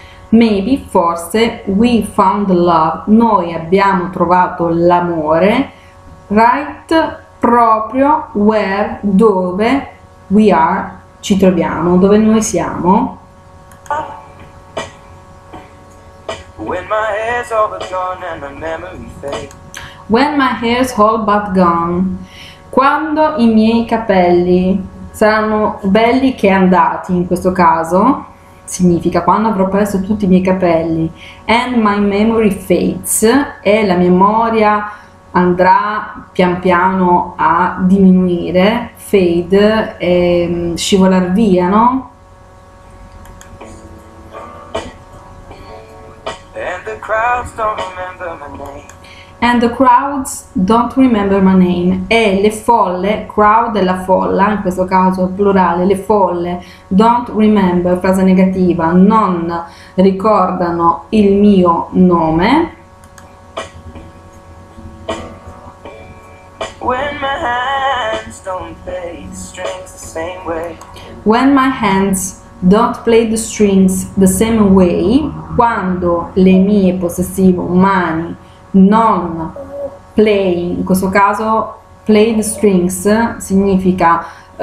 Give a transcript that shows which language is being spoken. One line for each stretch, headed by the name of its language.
English: Maybe,
Italian: forse,
English: we found love.
Italian: Noi abbiamo trovato l'amore, right, proprio where, dove
English: we are,
Italian: ci troviamo, dove noi siamo.
English: When my hair's all but gone and my memory fades. When my hair's all but gone,
Italian: quando i miei capelli saranno belli che andati, in questo caso significa quando avrò perso tutti i miei capelli,
English: and my memory fades,
Italian: e la memoria andrà pian piano a diminuire, fade, e scivolar via, no?
English: And the crowds don't remember my name. And the crowds don't remember my name.
Italian: E le folle, crowd è la folla, in questo caso plurale, le folle,
English: don't remember,
Italian: frase negativa, non ricordano il mio nome.
English: When my hands don't play strings the same way. When my hands don't play the strings the same way,
Italian: quando le mie possessive mani non play, in questo caso
English: play the strings
Italian: significa